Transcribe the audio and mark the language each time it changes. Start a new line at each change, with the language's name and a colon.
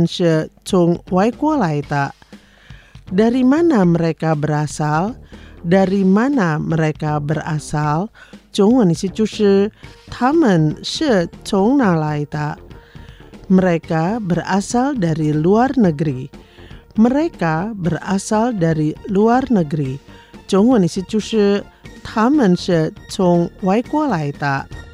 Chinese: 中文意思就是他们是从外国来的.
Indonesian: Dari mana mereka berasal? Dari mana mereka berasal?
Chinese: 中文意思就是他们是从哪来的?
Indonesian: Mereka berasal dari luar negeri. Mereka berasal dari luar negeri.
Chinese: 中文意思就是他们是从外国来的.